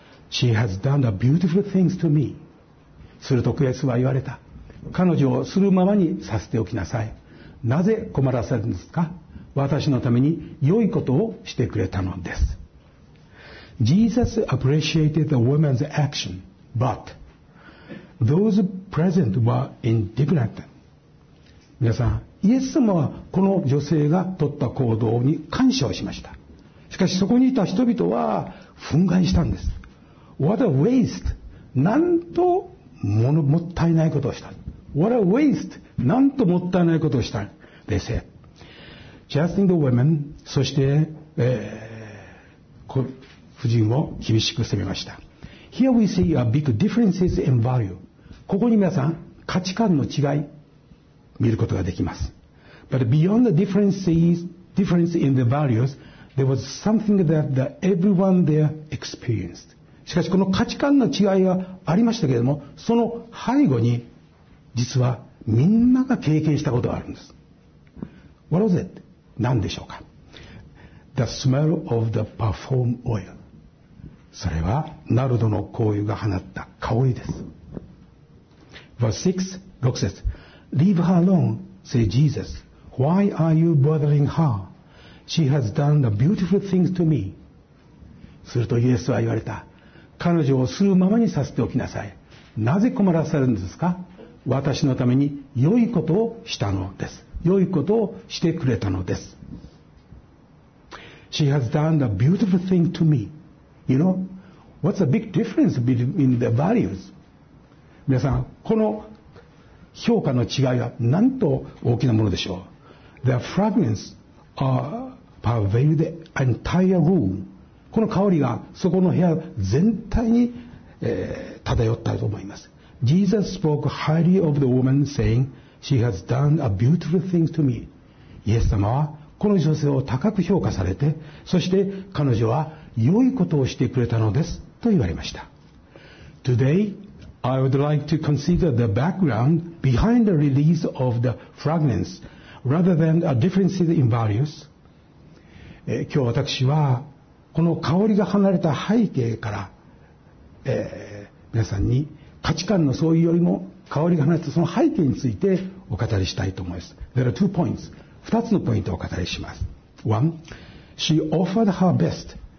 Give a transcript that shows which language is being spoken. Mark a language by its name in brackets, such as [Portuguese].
[English] She has done the beautiful things to me. [Japanese] するとイエスは言われた。彼女をするままにさせておきなさい。なぜ困らせるんですか。私のために良いことをしてくれたのです。 [English] Jesus appreciated the woman's action, but those present were indignant. [Japanese] 皆さん、イエス様はこの女性が取った行動に感謝をしました。しかしそこにいた人々は憤慨したんです。 [English] What a waste! [Japanese] なんと もったいないことをした。 [English] What a waste! [Japanese] なんともったいないことをした。 [English] They said, Justin the women, [Japanese] そして、夫人を厳しく責めました。 [English] Here we see a big differences in value. [Japanese] ここに皆さん、価値観の違い見ることができます。 [English] But beyond the difference in the values, there was something that everyone there experienced. [Japanese] しかしこの価値観の違いはありましたけれども、その背後に実はみんなが経験したことがあるんです。 [English] What was it? [Japanese] 何でしょうか。 [English] The smell of the perfume oil. [Japanese] それはナルドの香油が放った香りです。 [English] Verse 6, 6節。Leave her alone, said Jesus. Why are you bothering her? She has done the beautiful things to me. [Japanese] するとイエスは言われた。彼女をするままにさせておきなさい。なぜ困らせるんですか。私のために良いことをしたのです。良いことをしてくれたのです。 [English] She has done the beautiful thing to me. You know, what's the big difference between the values? [Japanese] 皆さん、この評価の違いはなんと大きなものでしょう。 [English] The fragrance pervaded the entire room. [Japanese] この香りがそこの部屋全体に、漂ったと思います。 [English] Jesus spoke highly of the woman saying, She has done a beautiful thing to me. [Japanese] イエス様はこの女性を高く評価されて、そして彼女は良いことをしてくれたのですと言われました。 [English] TodayI would like to consider the background behind the release of the fragrance rather than a difference in values. [Japanese] 今日私はこの香りが離れた背景から、皆さんに価値観の相違よりも香りが離れたその背景についてお語りしたいと思います。 [English] There are two points. [Japanese] 2つのポイントをお語りします。 [English] 1. She offered her best.